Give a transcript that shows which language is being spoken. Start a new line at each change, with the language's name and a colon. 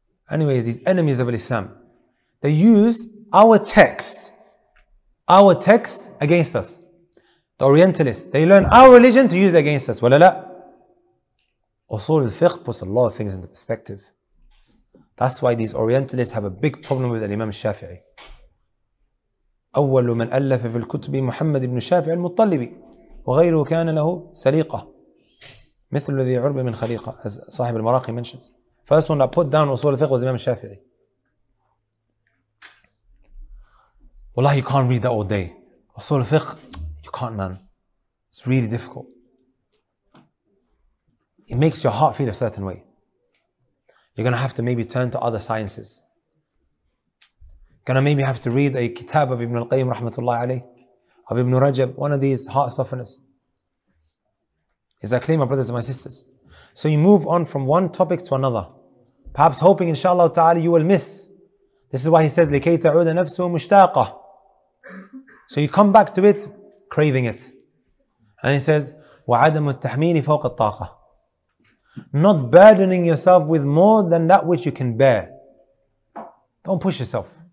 English: Anyways, these enemies of Islam. They use our text against us. The Orientalists, they learn our religion to use it against us. Walala. Usul al-fiqh puts a lot of things into perspective. That's why these Orientalists have a big problem with Imam Shafi'i.
Arabic: أول من ألف في الكتب محمد بن شافع المطلبي وغيره كان له سليقة مثل الذي عرب من خليقة, as صاحب المراقي mentions.
English: First one that put down Usul al-fiqh was Imam Shafi'i. Wallahi, you can't read that all day. Usul al-fiqh, you can't, man. It's really difficult. It makes your heart feel a certain way. You're going to have to maybe turn to other sciences. Going to maybe have to read a kitab of Ibn al-Qayyim rahmatullahi alayhi, of Ibn Rajab, one of these heart softeners. Is that clear, my brothers and my sisters? So you move on from one topic to another, perhaps hoping inshallah ta'ala you will miss. This is why he says,
Arabic: لِكَيْ تَعُودَ نَفْسُهُ مُشْتَاقَةً.
English: So you come back to it, craving it. And he says,
Arabic: وَعَدَمُ التَّحْمِينِ فَوْقَ الطَّاقَةِ.
English: Not burdening yourself with more than that which you can bear. Don't push yourself.